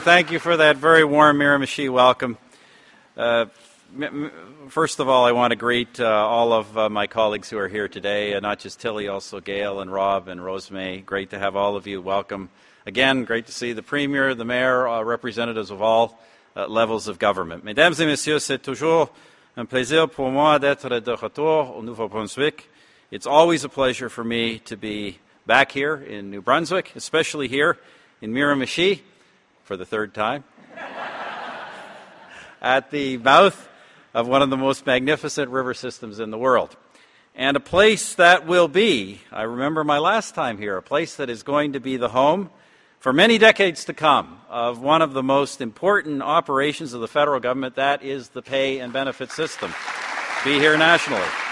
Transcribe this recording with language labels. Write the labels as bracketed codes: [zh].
[en] Thank you for that very warm Miramichi welcome. First of all, I want to greet all of my colleagues who are here today, not just Tilly, also Gail and Rob and Rosemay. Great to have all of you. Welcome. Again, great to see the Premier, the Mayor, representatives of all levels of government. [fr] Mesdames et Messieurs, c'est toujours un plaisir pour moi d'être de retour au Nouveau-Brunswick. [en] It's always a pleasure for me to be back here in New Brunswick, especially here in Miramichi, for the third time, at the mouth of one of the most magnificent river systems in the world. And a place that will be, I remember my last time here, a place that is going to be the home for many decades to come of one of the most important operations of the federal government, that is the pay and benefit system, be here nationally.